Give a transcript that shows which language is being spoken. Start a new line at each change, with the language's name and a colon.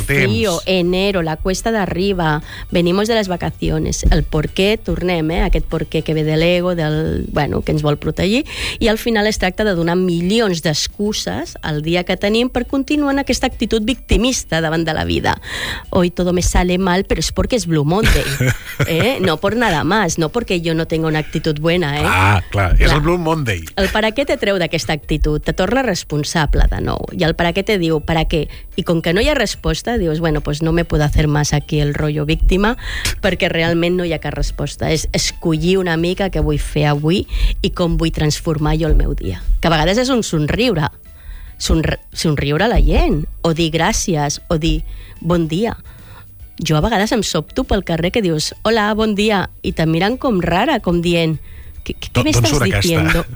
Spanish: frío, enero, la cuesta d'arriba, venimos de las vacaciones, el por qué,
Catalan: tornem, aquest por qué que ve de l'ego, bueno, que ens vol protegir, i al final es tracta de donar milions d'excuses al dia que tenim per continuar en aquesta actitud victimista davant de la vida.
Spanish: Hoy todo me sale mal, pero es porque es Blue Monday, no por nada más, no porque yo no tenga una actitud buena.
Catalan: Ah, clar, és el Blue Monday. El per a què te treu d'aquesta actitud? Te torna responsable de nou. I el per a què te diu, per a què? I com que no hi ha resposta, dius, bueno,
Spanish: pues no me puedo hacer más aquí el rollo víctima,
Catalan: perquè realment no hi ha cap resposta. És escollir una mica què vull fer avui i com vull transformar jo el meu dia. Que a vegades és un somriure. Somriure a la gent. O dir gràcies, o dir bon dia. Jo a vegades em sobto pel carrer que dius, hola, bon dia, i te miren com rara, com dient, què m'estàs dient?